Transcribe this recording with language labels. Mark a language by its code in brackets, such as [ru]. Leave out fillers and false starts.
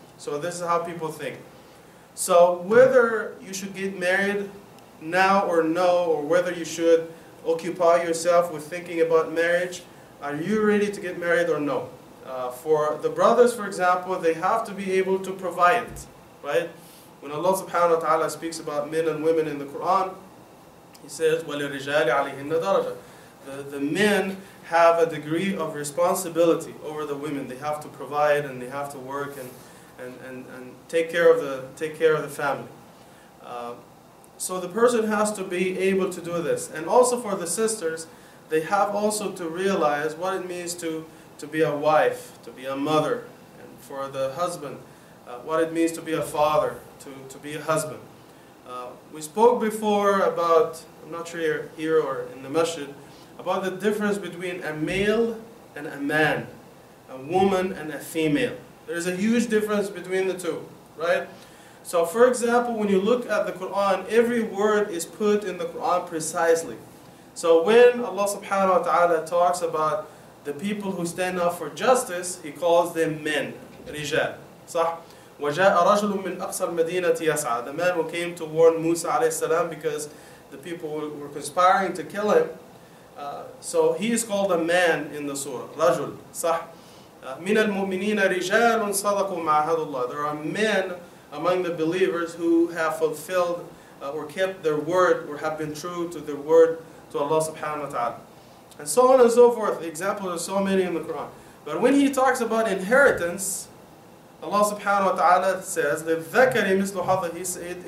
[en] So this is how people think. So whether you should get married now or no, or whether you should occupy yourself with thinking about marriage, are you ready to get married or no? For the brothers, for example, they have to be able to provide, right? When Allah subhanahu wa ta'ala speaks about men and women in the Quran, He says, [ar] وَلِلْرِجَالِ عَلَيْهِنَّ دَرَجَةً. [en] The men have a degree of responsibility over the women. They have to provide and they have to work and take care of the family. So the person has to be able to do this. And also for the sisters, they have also to realize what it means to be a wife, to be a mother. And for the husband, what it means to be a father, to be a husband. We spoke before about, I'm not sure here or in the masjid, about the difference between a male and a man, a woman and a female. There is a huge difference between the two, right? So for example, when you look at the Quran, every word is put in the Quran precisely. So when Allah subhanahu wa ta'ala talks about the people who stand up for justice, He calls them men, rijal. [ar] صح؟ وجاء رجل من أقصى المدينة يسعى. [en] The man who came to warn Musa alayhi salam because the people were conspiring to kill him. So he is called a man in the surah. [ar] رجل. صح؟ من المؤمنين رجال صدقوا مع عهد الله. [en] There are men among the believers who have fulfilled or kept their word or have been true to their word to Allah subhanahu wa ta'ala. And so on and so forth. The examples are so many in the Quran. But when he talks about inheritance, Allah subhanahu wa ta'ala says, [ar] لِذَكَرِ مِثْلُ حَظِهِ.